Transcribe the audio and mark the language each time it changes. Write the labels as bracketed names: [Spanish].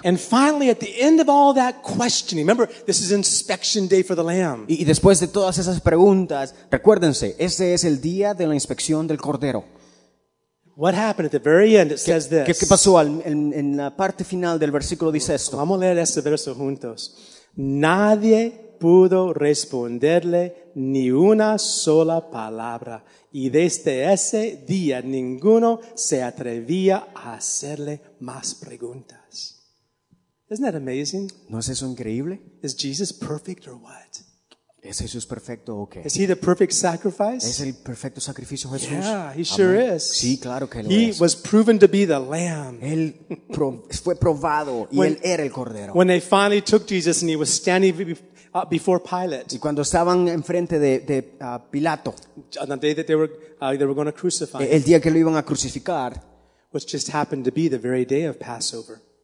[English] And finally, at the end of all that questioning, remember, this is inspection day for the lamb. [Spanish] Y después de todas esas preguntas, recuérdense, este es el día de la inspección del cordero. [English] What happened at the very end? It says this. [Spanish] ¿Qué pasó en la parte final del versículo? Dice esto. Vamos a leer este verso juntos. Nadie pudo responderle ni una sola palabra. Y desde ese día ninguno se atrevía a hacerle más preguntas. [English] Isn't that amazing? [Spanish] ¿No es eso increíble? [English] Is Jesus perfect or what? [Spanish] ¿Es Jesús perfecto o qué? [English] Is he the perfect sacrifice? [Spanish] ¿Es el perfecto sacrificio Jesús? [English] Yeah, he sure [Spanish] Amén. [English] Is. [Spanish] Sí, claro que lo [English] he [Spanish] es. [English] Was proven to be the lamb. [Spanish] Él fue probado y él era el cordero. [English] When they finally took Jesus and he was standing before Pilate. [Spanish] Y cuando estaban enfrente de Pilato. [English] On the day that they were going to crucify. [Spanish] El día que lo iban a crucificar. [English] Which just happened to be the very day of Passover.